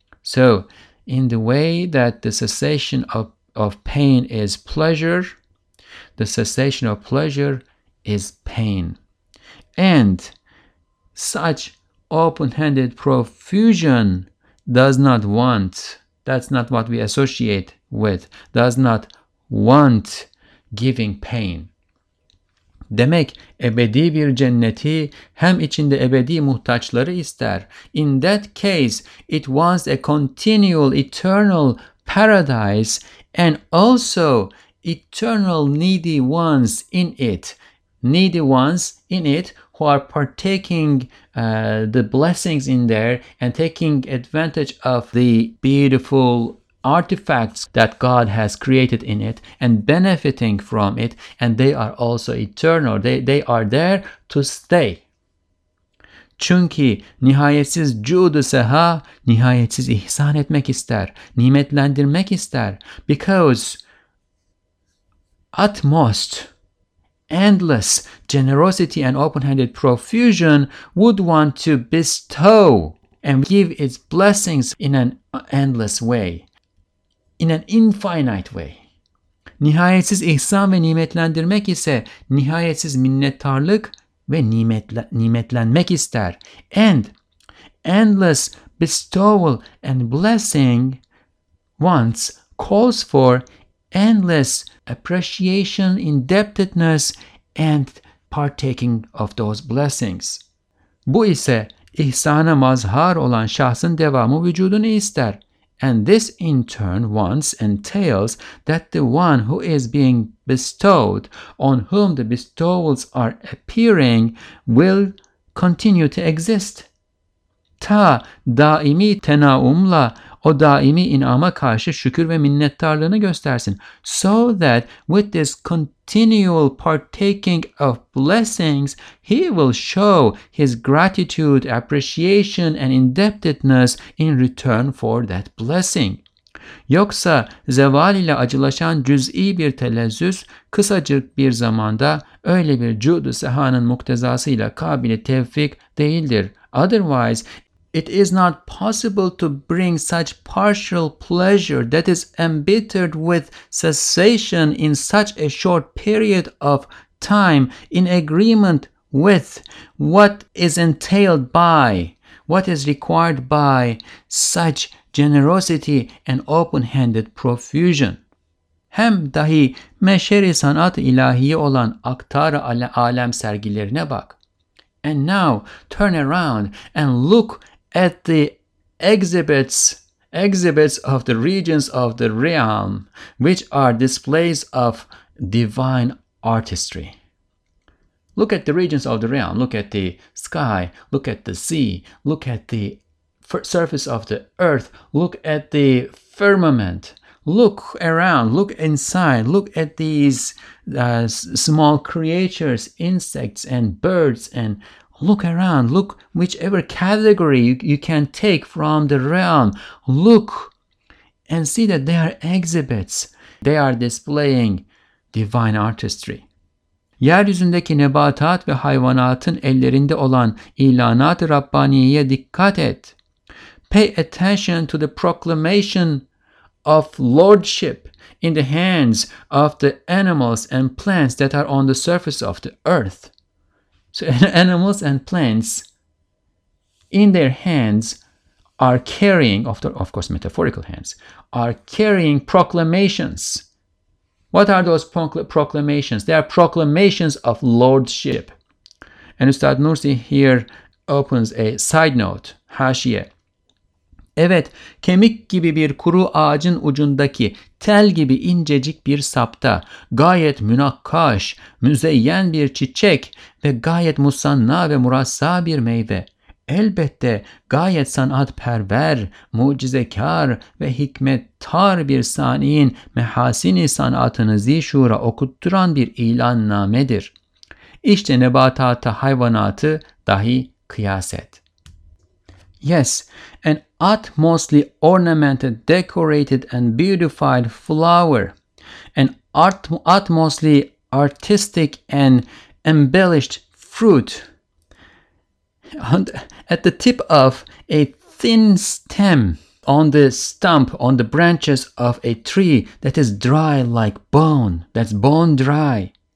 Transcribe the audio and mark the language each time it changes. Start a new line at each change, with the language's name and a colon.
English: So, in the way that the cessation of pain is pleasure, the cessation of pleasure is pain. And such open-handed profusion does not want, that's not what we associate with, does not want giving pain.
Turkish: Demek ebedi bir cenneti hem içinde ebedi muhtaçları ister.
English: In that case, it wants a continual eternal paradise and also eternal needy ones in it. Needy ones in it who are partaking the blessings in there and taking advantage of the beautiful artifacts that God has created in it and benefiting from it, and they are also eternal. They are there to stay.
Turkish: Çünkü nihayetsiz cudu seha nihayetsiz ihsan etmek ister, nimetlendirmek ister.
English: Because utmost endless generosity and open-handed profusion would want to bestow and give its blessings in an endless way. In an infinite way.
Turkish: Nihayetsiz ihsan ve nimetlendirmek ise nihayetsiz minnettarlık ve nimetlenmek ister.
English: And endless bestowal and blessing wants, calls for endless appreciation, indebtedness and partaking of those blessings.
Turkish: Bu ise ihsana mazhar olan şahsın devamı vücudunu ister.
English: And this in turn wants, entails, that the one who is being bestowed, on whom the bestowals are appearing, will continue to exist.
Turkish: Ta daimi tenaumla, o daimi inama karşı şükür ve minnettarlığını göstersin.
English: So that with this continual partaking of blessings, he will show his gratitude, appreciation and indebtedness in return for that blessing.
Turkish: Yoksa zeval ile acılaşan cüz'i bir telezzüs, kısacık bir zamanda öyle bir cud-u sehanın muktezasıyla kabili tevfik değildir.
English: Otherwise, it is not possible to bring such partial pleasure that is embittered with cessation in such a short period of time in agreement with what is entailed by, what is required by such generosity and open-handed profusion.
Turkish: Hem dahi meşeri sanat-ı ilahiye olan aktar-ı alem sergilerine bak.
English: And now turn around and look at the exhibits of the regions of the realm, which are displays of divine artistry. Look at the regions of the realm, look at the sky, look at the sea, look at the surface of the earth, look at the firmament, look around, look inside, look at these small creatures, insects and birds, and look around, look whichever category you can take from the realm, look and see that they are exhibits, they are displaying divine artistry.
Turkish: Yeryüzündeki nebatat ve hayvanatın ellerinde olan ilanat-ı Rabbaniye'ye dikkat et.
English: Pay attention to the proclamation of lordship in the hands of the animals and plants that are on the surface of the earth. So animals and plants in their hands are carrying, of course metaphorical hands, are carrying proclamations. What are those proclamations? They are proclamations of lordship. And Üstad Nursi here opens a side note, haşiye.
Turkish: Evet, kemik gibi bir kuru ağacın ucundaki tel gibi incecik bir sapta gayet münakkaş, müzeyyen bir çiçek ve gayet musanna ve murassa bir meyve. Elbette gayet sanatperver, mucizekar ve hikmettar bir saniyin mehasini sanatını zişura okutturan bir ilannamedir. İşte nebatatı hayvanatı dahi kıyaset.
English: Yes, an utmostly ornamented, decorated and beautified flower, an utmostly artistic and embellished fruit, and at the tip of a thin stem on the stump, on the branches of a tree that is dry like bone, that's bone dry.